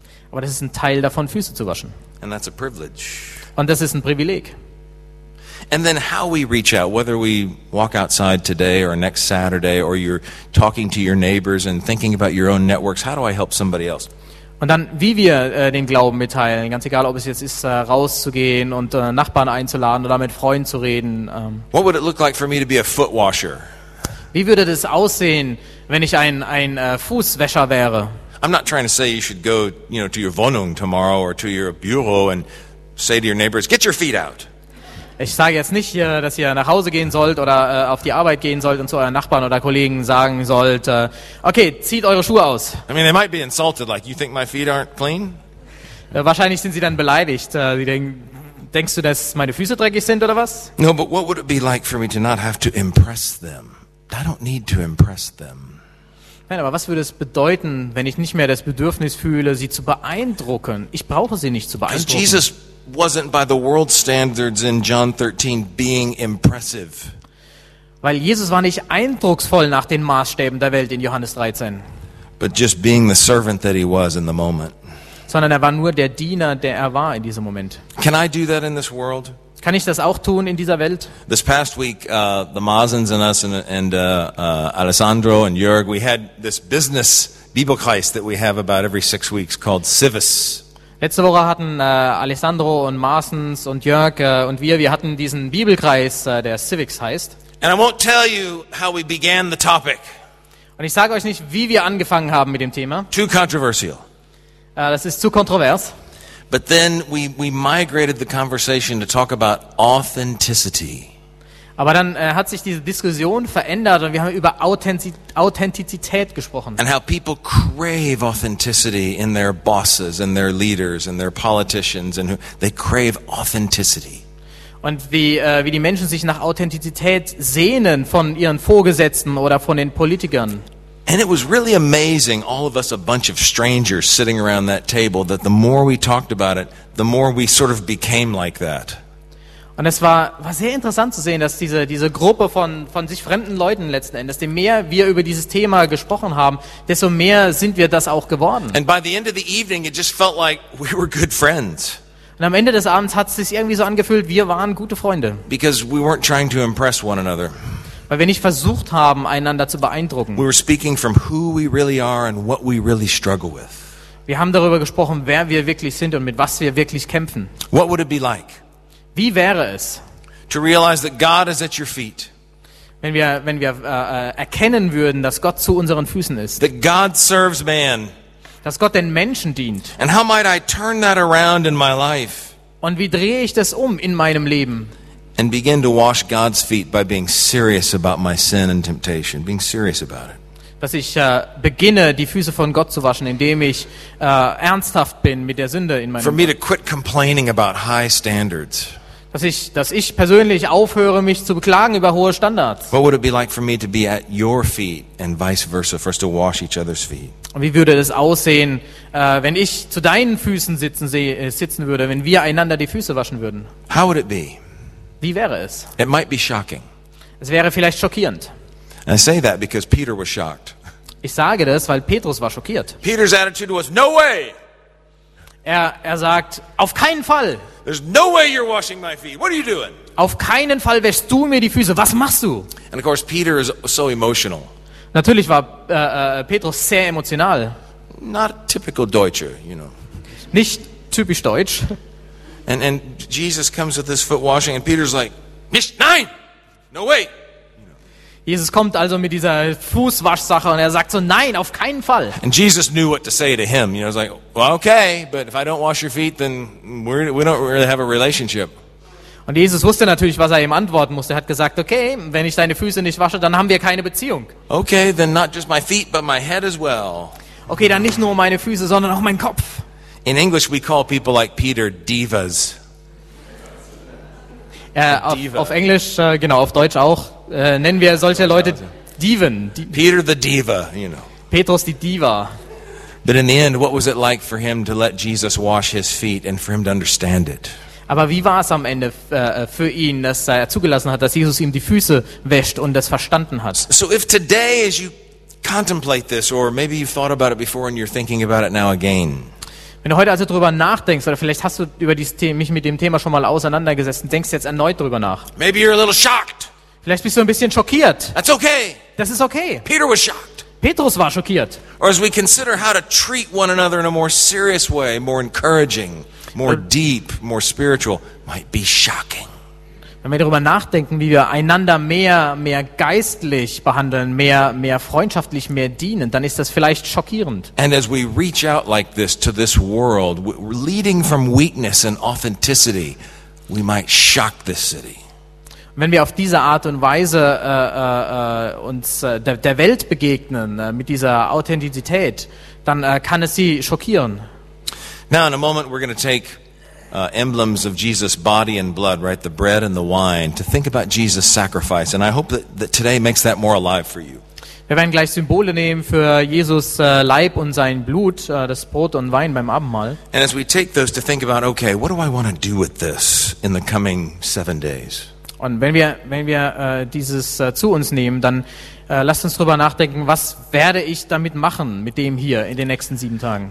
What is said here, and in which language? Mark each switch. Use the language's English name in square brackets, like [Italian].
[German] Aber das ist ein Teil davon, Füße zu waschen. [English] And that's a privilege. [German] Und das ist ein Privileg. [English] And then how we reach out, whether we walk outside today or next Saturday or you're talking to your neighbors and thinking about your own networks, how do I help somebody else? [German] Und dann, wie wir den Glauben mitteilen, ganz egal, ob es jetzt ist, rauszugehen und Nachbarn einzuladen oder mit Freunden zu reden. [English] What would it look like for me to be a foot washer? [German] Wie würde das aussehen, wenn ich ein Fußwäscher wäre? [English] I'm not trying to say you should go, you know, to your Wohnung tomorrow or to your bureau and say to your neighbors, get your feet out. [German] Ich sage jetzt nicht, dass ihr nach Hause gehen sollt oder auf die Arbeit gehen sollt und zu euren Nachbarn oder Kollegen sagen sollt, okay, zieht eure Schuhe aus. [English] I mean, they might be insulted, like, you think my feet aren't clean? [German] Wahrscheinlich sind sie dann beleidigt. Sie denkst du, dass meine Füße dreckig sind oder was? [English] No, but what would it be like for me to not have to impress them? I don't need to impress them. [German] Nein, aber was würde es bedeuten, wenn ich nicht mehr das Bedürfnis fühle, sie zu beeindrucken? Ich brauche sie nicht zu beeindrucken. [English] Jesus wasn't by the world standards in John 13 being impressive. [German] Weil Jesus war nicht eindrucksvoll nach den Maßstäben der Welt in Johannes 13. [English] But just being the servant that he was in the moment. [German] Sondern er war nur der Diener, der er war in diesem Moment. [English] Can I do that in this world? [German] Kann ich das auch tun in dieser Welt? [English] This past week, the Mazens and us and Alessandro and Jörg, we had this business Bibelkreis that we have about every 6 weeks called Civis. [German] Letzte Woche hatten Alessandro und Mazens und Jörg und wir hatten diesen Bibelkreis, der Civics heißt. [English] And I won't tell you how we began the topic. [German] Und ich sage euch nicht, wie wir angefangen haben mit dem Thema. [English] Too controversial. [German] Das ist zu kontrovers. [English] But then we migrated the conversation to talk about authenticity. [German] Aber dann hat sich diese Diskussion verändert und wir haben über Authentizität gesprochen. [English] And how people crave authenticity in their bosses and their leaders and their politicians and they crave authenticity. [German] Und wie die Menschen sich nach Authentizität sehnen von ihren Vorgesetzten oder von den Politikern. [English] And it was really amazing, all of us, a bunch of strangers sitting around that table, that the more we talked about it, the more we sort of became like that. [German] Und es war sehr interessant zu sehen, dass diese Gruppe von sich fremden Leuten letzten Endes, je mehr wir über dieses Thema gesprochen haben, desto mehr sind wir das auch geworden. [English] And by the end of the evening, it just felt like we were good friends. [German] Und am Ende des Abends hat es sich irgendwie so angefühlt, wir waren gute Freunde. [English] Because we weren't trying to impress one another. [German] Weil wir nicht versucht haben, einander zu beeindrucken. [English] We were speaking from who we really are and what we really struggle with. [German] Wir haben darüber gesprochen, wer wir wirklich sind und mit was wir wirklich kämpfen. [English] What would it be like? [German] Wie wäre es? [English] To realize that God is at your feet. [German] Wenn wir erkennen würden, dass Gott zu unseren Füßen ist. [English] That God serves man. [German] Dass Gott den Menschen dient. [English] And how might I turn that around in my life? [German] Und wie drehe ich das in meinem Leben? [English] And begin to wash God's feet by being serious about my sin and temptation, being serious about it. [German] Dass ich beginne, die Füße von Gott zu waschen, indem ich ernsthaft bin mit der Sünde in meinem Leben. [English] For me to quit complaining about high standards. [German] Dass ich persönlich aufhöre, mich zu beklagen über hohe Standards. [English] What would it be like for me to be at your feet and vice versa, for us to wash each other's feet? [German] Und wie würde das aussehen, wenn ich zu deinen Füßen sitzen würde, wenn wir einander die Füße waschen würden? [English] How would it be? [German] Wie wäre es? [English] It might be shocking. [German] Es wäre vielleicht schockierend. [English] I say that because Peter was shocked. [German] Ich sage das, weil Petrus war schockiert. [English] Peter's attitude was no way. [German] Er sagt auf keinen Fall. [English] There's no way you're washing my feet. What are you doing? [German] Auf keinen Fall wäschst du mir die Füße. Was machst du? [English] And of course Peter is so emotional. [German] Natürlich war Petrus sehr emotional. [English] Not a typical Deutscher, you know. [German] Nicht typisch deutsch. [English] And Jesus comes with this foot washing and Peter's like, [German] "Nicht, nein. [English] No way." [German] Jesus kommt also mit dieser Fußwaschsache und er sagt so, "Nein, auf keinen Fall." [English] And Jesus knew what to say to him. You know, he's like, "Well, okay, but if I don't wash your feet, then we don't really have a relationship." [German] Und Jesus wusste natürlich, was er ihm antworten musste. Er hat gesagt, okay, wenn ich deine Füße nicht wasche, dann haben wir keine Beziehung. [English] Okay, then not just my feet, but my head as well. [German] Okay, dann nicht nur meine Füße, sondern auch mein Kopf. [English] In English we call people like Peter divas. [German] Auf Englisch, genau, auf Deutsch auch, nennen wir solche Leute Diven. [English] Peter the Diva, you know. [German] Petrus die Diva. [English] But in the end, what was it like for him to let Jesus wash his feet and for him to understand it? [German] Aber wie war es am Ende für ihn, dass er zugelassen hat, dass Jesus ihm die Füße wäscht und das verstanden hat? [English] So if today, as you contemplate this, or maybe you've thought about it before and you're thinking about it now again. [German] Wenn du heute also drüber nachdenkst, oder vielleicht hast du über mich mit dem Thema schon mal auseinandergesetzt und denkst jetzt erneut drüber nach. [English] Maybe you're a little shocked. [German] Vielleicht bist du ein bisschen schockiert. [English] That's okay. [German] Das ist okay. [English] Peter was shocked. [German] Petrus war schockiert. [English] Or as we consider how to treat one another in a more serious way, more encouraging, more deep, more spiritual, might be shocking. [German] Wenn wir darüber nachdenken, wie wir einander mehr geistlich behandeln, mehr freundschaftlich, mehr dienen, dann ist das vielleicht schockierend. [English] And as we reach out like this to this world, leading from weakness and authenticity, we might shock this city. [German] Wenn wir auf diese Art und Weise uns der Welt begegnen, mit dieser Authentizität, dann kann es sie schockieren. [English] Now in a moment we're going to take emblems of Jesus' body and blood, right, the bread and the wine, to think about Jesus' sacrifice. And I hope that today makes that more alive for you. [German] Wir werden gleich Symbole nehmen für Jesus Leib und sein Blut, das Brot und Wein beim Abendmahl. [English] And as we take those to think about, okay, what do I want to do with this in the coming 7 days? [German] Und wenn wir dieses zu uns nehmen, dann lasst uns drüber nachdenken, was werde ich damit machen, mit dem hier in den nächsten 7 Tagen.